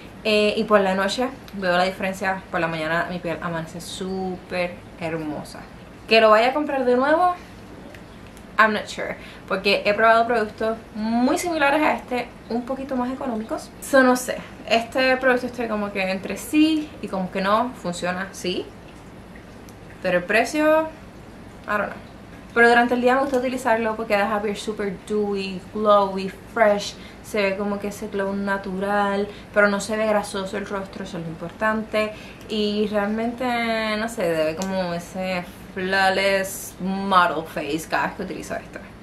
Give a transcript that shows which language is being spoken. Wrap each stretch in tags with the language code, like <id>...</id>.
<es>Y por la noche veo la diferencia. Por la mañana mi piel amanece super hermosa. ¿Que lo vaya a comprar de nuevo?</es> <en>I'm not sure,</en> <es>porque he probado productos muy similares a este, un poquito más económicos.</es> <en>So,</en> <es>no sé, este producto estoy como que entre sí y como que no, funciona, sí. Pero el precio,</es> <en>I don't know.</en> <es>Pero durante el día me gusta utilizarlo porque deja piel super</es> <en>dewy, glowy, fresh.</en> <es>Se ve como que ese glow natural, pero no se ve grasoso el rostro, eso es lo importante. Y realmente, no sé, debe como ese...</es> <en>flawless model face</en> <es>cada vez que utilizo esto.</es>